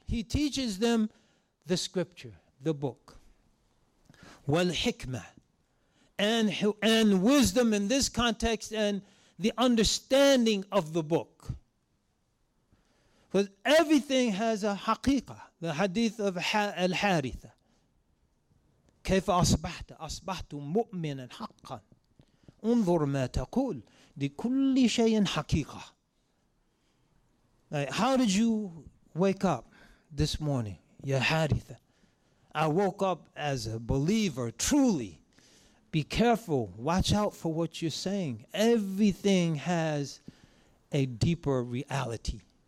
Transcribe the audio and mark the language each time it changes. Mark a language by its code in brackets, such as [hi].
[en] He teaches them the scripture, the book. [ar] وَالْحِكْمَةِ. [en] And wisdom in this context, and the understanding of the book. Because everything has a haqiqah, the hadith of Al-Haritha. [ar] كيف أصبحت أصبحت مؤمنا حقا انظر ما تقول لكل شيء حقيقة. [en] How did you wake up this morning, [ar] يا حارثة? [en] I woke up as a believer, truly. Be careful, watch out for what you're saying. Everything has a deeper reality.